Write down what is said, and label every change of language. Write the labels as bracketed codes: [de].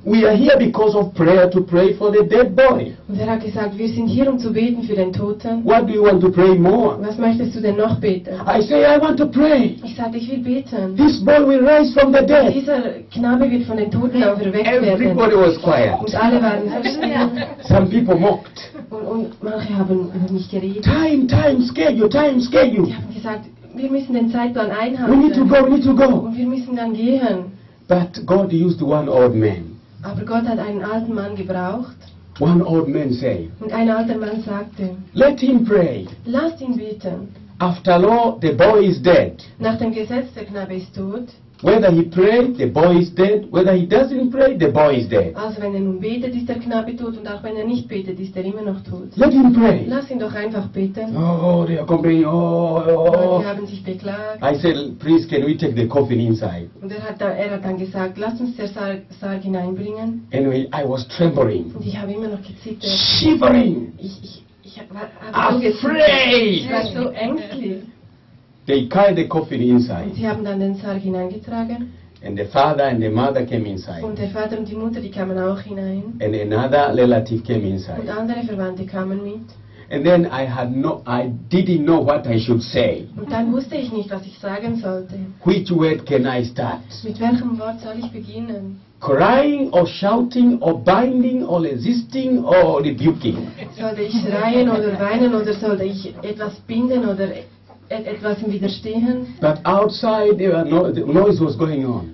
[en] We are here because of prayer to pray for the dead body. [de] Und er hat gesagt, wir sind hier um zu beten für den Toten. [en] What do you want to pray more? [de] Was möchtest du denn noch beten? [en] I say I want to pray. [de] Ich sage, ich will beten. [en] This boy will rise from the dead. [de] Dieser Knabe wird von den Toten auferweckt werden. [en] Everybody was quiet. [de] Und alle waren still. [en] Some people mocked. [de] Und manche haben über mich geredet. [en] Time schedule. [de] Die haben gesagt, wir müssen den Zeitplan einhalten. [en] We need to go. [de] Und wir müssen dann gehen. [en] But God used one old man. [de] Aber Gott hat einen alten Mann gebraucht. [en] One old man said. [de] Und ein alter Mann sagte. [en] Let him pray. [de] Lasst ihn beten. [en] After law, the boy is dead. [de] Nach dem Gesetz, der Knabe ist tot. [en] Whether he prays, the boy is dead. Whether he doesn't pray, the boy is dead. [de] Also wenn er nun betet, ist der Knabe tot. Und auch wenn er nicht betet, ist er immer noch tot. [en] Let him pray. [de] Lass ihn doch einfach beten. [en] Oh, they are complaining. Oh. [de] Sie haben sich beklagt. [en] I said, please, can we take the coffin inside? [de] Und er hat dann gesagt, lass uns den Sarg hineinbringen. [en] Anyway, I was trembling. [de] Und ich habe immer noch gezittert. [en] Shivering. [de] Ich war afraid. Ich war so ängstlich. [en] They carried the coffin inside. [de] Sie haben dann den Sarg hineingetragen. [en] And the father and the mother came inside. [de] Und der Vater und die Mutter, die kamen auch hinein. [en] And another relative came inside. [de] Und andere Verwandte kamen mit. [en] And then I didn't know what I should say. [de] Und dann wusste ich nicht, was ich sagen sollte. [en] Which word can I start? [de] Mit welchem Wort soll ich beginnen? [en] Crying or shouting or binding or resisting or rebuking? [de] Sollte ich schreien oder weinen oder sollte ich etwas binden oder etwas im Widerstehen. [en] But outside there were the noise was going on.